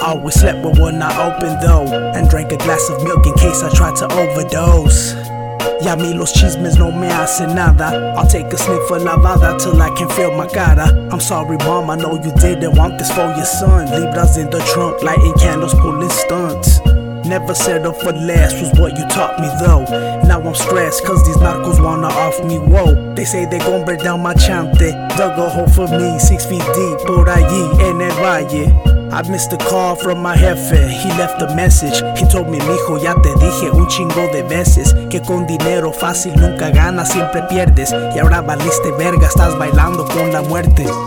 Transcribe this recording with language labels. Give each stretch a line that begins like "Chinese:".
English: Slept but would not open though, and drank a glass of milk in case I tried to overdose.
Spanish: Y a mí los chismes no me hacen nada.
English: I'll take a sniff of lavada till I can feel my cara. I'm sorry, mom, I know you didn't want this for your son. Libras in the trunk, lighting candles, pulling stunts. Never settle for less was what you taught me though. Now I'm stressed cause these narcos wanna off me, whoa. They say they gon' break down my chante. Dug a hole for me, 6 feet deep,
Spanish: por allí, en el valle.
English: I missed a call from my jefe, he left a message. He told me,
Spanish: mijo, ya te dije un chingo de veces. Que con dinero fácil nunca ganas, siempre pierdes. Y ahora valiste verga, estás bailando con la muerte.